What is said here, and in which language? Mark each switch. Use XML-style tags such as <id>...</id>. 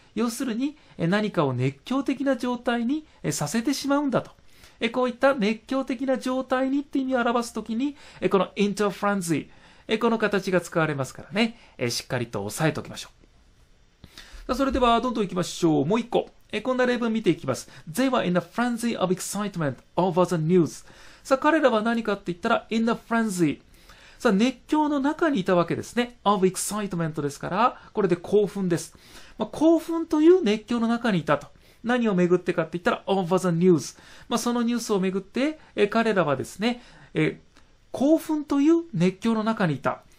<ja>要するに、何かを熱狂的な状態にさせてしまうんだと。こういった熱狂的な状態にって意味を表すときに、この into a frenzy、この形が使われますからね。しっかりと押さえておきましょう。それではどんどん行きましょう。もう一個、こんな例文見ていきます。</ja> <en>They were in a frenzy of excitement over the news。</en> <ja>さあ彼らは何かって言ったら in a frenzy、さあ熱狂の中にいたわけですね。 of excitement ですから、これで興奮です。まあ、興奮という熱狂の中にいたと。何をめぐってかって言ったら over the news、まあ、そのニュースをめぐって彼らはですね、興奮という熱狂の中にいた。</ja>